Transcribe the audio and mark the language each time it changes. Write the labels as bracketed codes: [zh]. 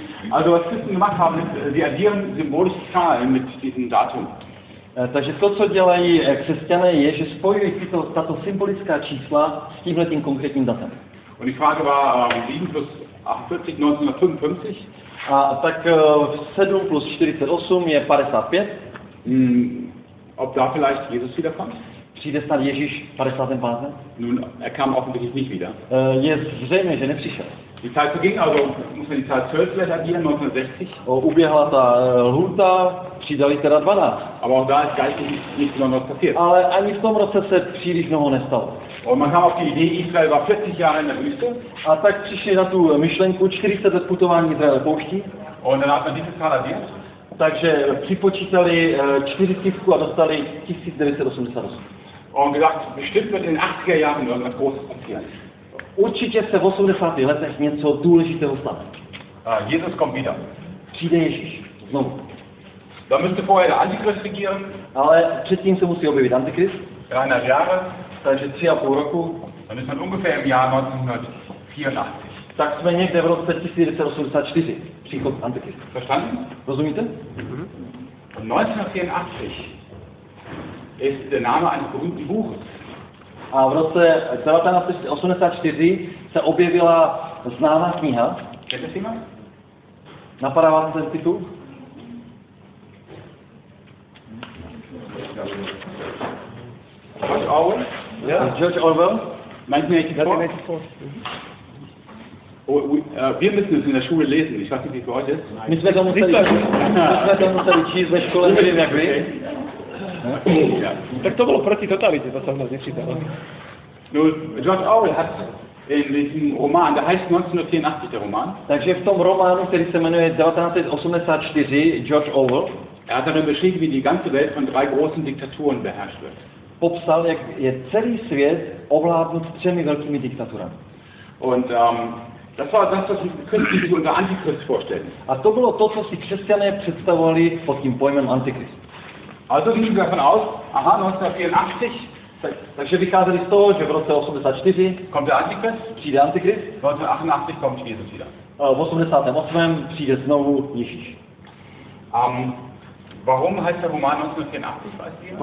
[de] Also, was Christen gemacht haben, sie addieren symbolische Zahlen mit diesem Datum. [cs] Takže to, co dělají křesťané, je, že spojují tato symbolická čísla s tímhle tím konkrétním datem. [de] Und die Frage war 7 plus 48, 1955. [cs] A tak 7 plus 48 je 55. [de] Ob da vielleicht Jesus wieder kommt? [cs] Přijde snad Ježíš 55. [de] Nun, er kam offensichtlich nicht wieder. [cs] Je zřejmě, že nepřišel. [de] Die Zeit verging, also muss man die Zahl 12 vielleicht addieren, 1960. [cs] Uběhla ta lhůta, přidali teda 12. [de] Aber auch da ist geistlich nichts Besonderes passiert. [cs] Ale ani v tom roce se příliš mnoho nestalo. [de] Und man kam auf die Idee, Israel war 40 Jahre in der Wüste. [cs] A tak přišli na tu myšlenku 40 let putování Izraele pouští. [de] Und dann hat man diese Zahl addiert. [cs] Takže připočítali 40 a dostali 1988. [de] Und gedacht, bestimmt wird in den 80er Jahren irgendwas Großes passieren. [cs] Určitě se v 80. letech něco důležitého stane. [de] Jesus kommt wieder. [cs] Přijde Ježíš. Znovu. [de] Da müsste vorher der Antichrist regieren. [cs] Ale předtím se musí objevit Antichrist. [de] 3,5 Jahre. [cs] Takže 3,5 roku. [de] Dann ist man ungefähr im Jahr 1984. [cs] Tak jsme někde v roce 1984. Příchod Antichrist. [de] Verstanden? [cs] Rozumíte? Mhm. [de] 1984 ist der Name eines berühmten Buches. [cs] A v roce 1984 se objevila známá kniha. Jaké si má? Napadá vám ten titul? George Orwell? [en] Yeah. George Orwell? 1984? [de] Wir müssen es in der Schule lesen, ich weiß nicht, wie es bei euch ist. [cs] My jsme to museli číst ve škole, nevím jak vy. Tak to bylo proti totalitě, to se u nás nečítalo. [de] Nun, George Orwell hat in diesem Roman, der heißt 1984, der Roman. [cs] Takže v tom románu, který se jmenuje 1984, George Orwell. [de] Er hat darin beschrieben, wie die ganze Welt von drei großen Diktaturen beherrscht wird. [cs] Popsal, jak je celý svět ovládnut třemi velkými diktaturami. [de] Und das war das, was die Christen sich unter Antichrist vorstellen. [cs] A to bylo to, co si křesťané představovali pod tím pojmem Antichrist. [de] Also gingen wir davon aus, aha, 1984, [cs] takže vycházeli z toho, že v roce 84 [de] kommt der Antichrist, [cs] přijde Antichrist, v roce [de] 88 kommt Jesus wieder. [cs] V 88 přijde znovu Ježíš. [de] Warum heißt der Roman 1984, weißt du?